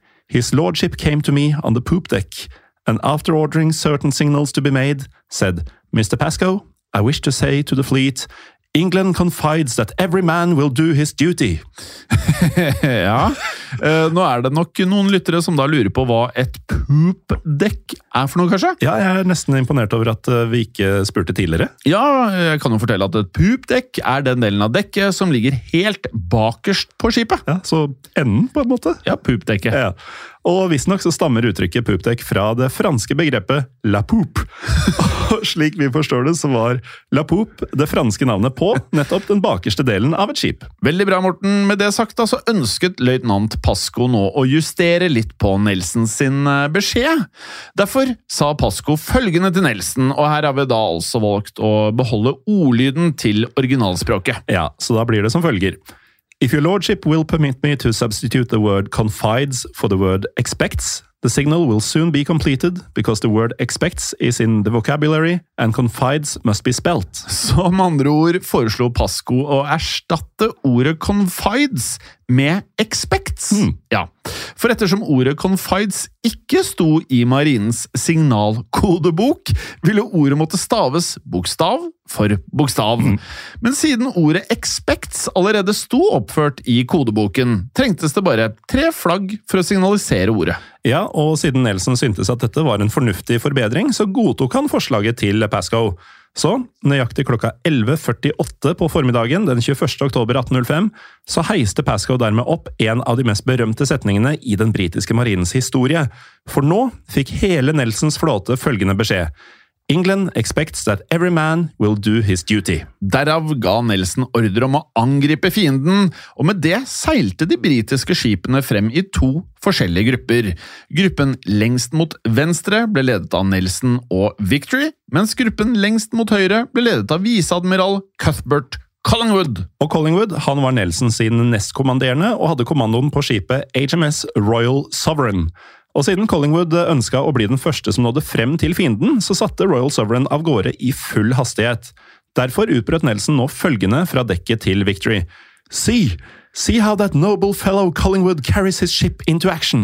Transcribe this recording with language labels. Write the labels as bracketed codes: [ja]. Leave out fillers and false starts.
[en] «His lordship came to me on the poop deck, and after ordering certain signals to be made, said, Mr. Pascoe, I wish to say to the fleet, England confides that every man will do his duty.» [no] Ja, nå er det nok noen lyttere som da lurer på hva et poop-dekk er for noe, kanskje? Ja, jeg nesten imponert over at vi ikke spurte tidligere. Ja, jeg kan jo fortelle at et poop-dekk er den delen av dekket som ligger helt bakerst på skipet. Ja, så enden på en måte. Ja, poop-dekket. Ja, ja. Og visst nok så stammer uttrykket poop-dekk fra det franske begrepet la poop. Og slik vi forstår det, så var la poop det franske navnet på nettopp den bakerste delen av et skip. Veldig bra, Morten. Med det sagt, så ønsket løytnant Pascoe nå å justere litt på Nelson sin beskjed. Derfor sa Pascoe følgende til Nelson, og her har vi da altså valgt å beholde ordlyden til originalspråket. Ja, så da blir det som følger. [en] If your lordship will permit me to substitute the word confides for the word expects, the signal will soon be completed, because the word expects is in the vocabulary, and confides must be spelt. [no] Så med andre ord foreslo Pascoe å erstatte ordet confides med expects. Mm. Ja, for ettersom ordet confides ikke sto i marinens signalkodebok, ville ordet måtte staves bokstav for bokstav. Mm. Men siden ordet expects allerede sto oppført i kodeboken, trengtes det bare tre flagg for å signalisere ordet. Ja, og siden Nelson syntes at dette var en fornuftig forbedring, så godtok han forslaget til Pascoe. Så, nøyaktig klokka 11.48 på formiddagen den 21. oktober 1805, så heiste Pascoe dermed opp en av de mest berømte setningene i den britiske marinens historie. For nå fikk hele Nelsons flåte følgende beskjed. [en] England expects that every man will do his duty. [no] Derav ga Nelson ordre om å angripe fienden, og med det seilte de britiske skipene frem i to forskjellige grupper. Gruppen lengst mot venstre ble ledet av Nelson og Victory, mens gruppen lengst mot høyre ble ledet av viceadmiral Cuthbert Collingwood. Og Collingwood, han var Nelson sin nestkommanderende og hadde kommandoen på skipet HMS Royal Sovereign. Og siden Collingwood ønsket å bli den første som nådde frem til fienden, så satte Royal Sovereign av gårde i full hastighet. Derfor utbrøt Nelson nå følgende fra dekket til Victory. [en] «See! See how that noble fellow Collingwood carries his ship into action!»